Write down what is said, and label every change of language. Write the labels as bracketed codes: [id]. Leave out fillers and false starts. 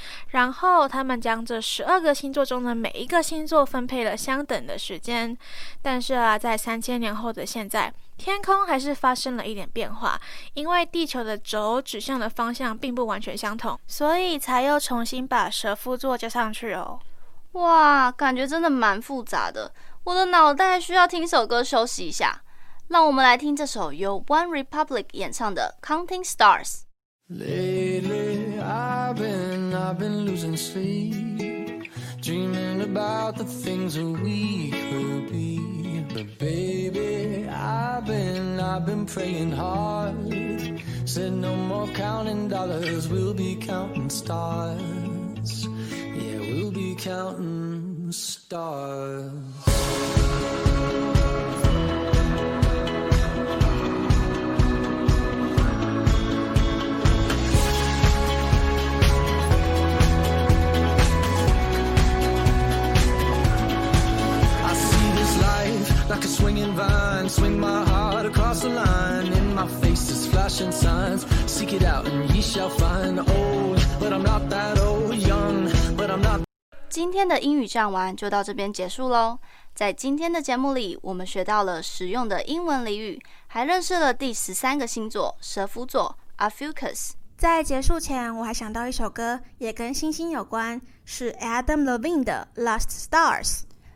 [zh] 然后他们将这十二个星座中的每一个星座分配了相等的时间，但是啊，在3000年后的现在，天空还是发生了一点变化，因为地球的轴指向的方向并不完全相同，所以才又重新把蛇夫座加上去哦。哇，感觉真的蛮复杂的，我的脑袋需要听首歌休息一下。让我们来听这首由 One Republic 演唱的 Counting Stars。 [en] Lately I've been losing sleep, dreaming about the things that we could be. But baby I've been praying hard, said no more counting dollars, we'll be counting starsWe'll be counting stars. I see this life like a swinging vine, swing my heart across the line. In my face is flashing signs, seek it out and ye shall find. Old, but I'm not that old. Young, but I'm not. [zh] 今天的英语讲完就到这边结束咯。在今天的节目里，我们学到了实用的英文俚语，还认识了第十三个星座蛇夫座 Aquarius。在结束前我还想到一首歌，也跟星星有关，是 Adam Levine 的 Last Stars。